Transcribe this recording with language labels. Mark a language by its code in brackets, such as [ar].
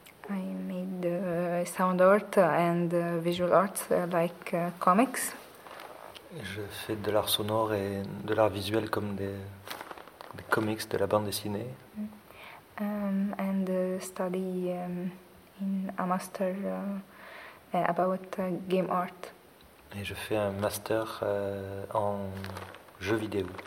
[en] I made sound art and visual art like comics. [fr] Je fais de l'art sonore et de l'art visuel comme des comics, de la bande dessinée. [en] And study in a master about game art. [fr] Et je fais un master en jeux vidéo.